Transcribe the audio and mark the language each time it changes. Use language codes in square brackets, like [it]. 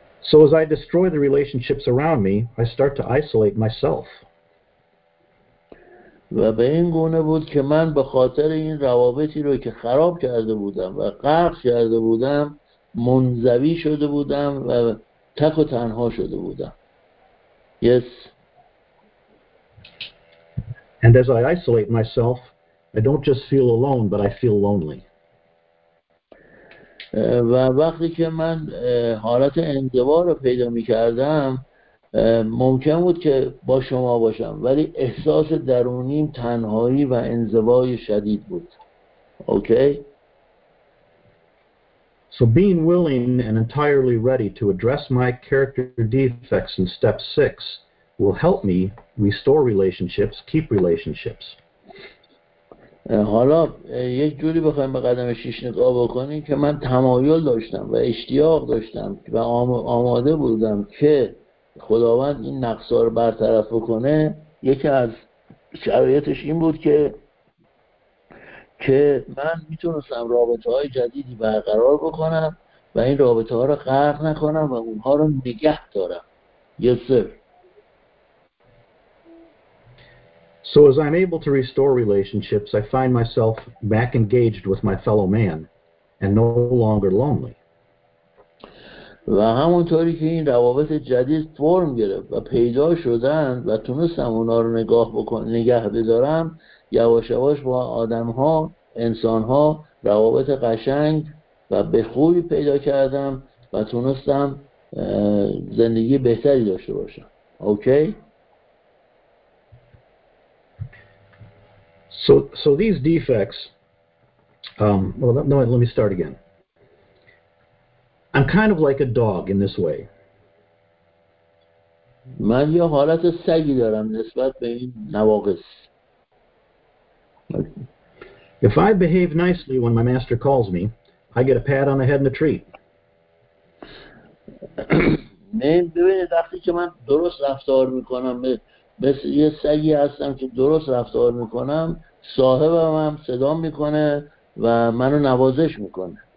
[en] So as I destroy the relationships around me, I start to isolate myself. [fa] و به این گونه بود که من به خاطر این روابطی رو که خراب کرده بودم و غرق کرده بودم منزوی شده بودم و تک و تنها شده بودم. [en] Yes. And as I isolate myself, I don't just feel alone, but I feel lonely. [fa] و وقتی که من حالت انزوا رو پیدا می‌کردم ممکن بود که با شما باشم ولی احساس درونیم تنهایی و انزوای شدید بود. [en] Okay. So being willing and entirely ready to address my character defects in step 6 will help me restore relationships, keep relationships. [fa] حالا یک جوری بخوایم به قدم 6 نگاه بکنیم که من تمایل داشتم و اشتیاق داشتم و آماده بودم که خداوند این نقصا رو برطرف بکنه. یکی از شرایطش این بود که من میتونستم رابطه های جدیدی برقرار بکنم و این رابطه ها رو غرق نکنم و اونها رو نگه دارم. [en] Yes, sir. So as I'm able to restore relationships, I find myself back engaged with my fellow man and no longer lonely. [fa] و همونطوری که این روابط جدید فرم گرفت و پیدا شدن و تونستم اونا رو نگه بدارم یواش یواش با آدمها، انسانها روابط قشنگ و به خوبی پیدا کردم و تونستم زندگی بهتری داشته باشم. [en] Okay? So these defects let me start again. I'm kind of like a dog in this way. [fa] من یه حالت سگی دارم نسبت به این نواقص. [en] If I behave nicely when my master calls me, I get a pat on the head and a treat. [fa] من ببینید وقتی که من درست رفتار میکنم مثل یه سگی هستم که درست رفتار میکنم، صاحبم هم صدا میکنه و منو نوازش میکنه.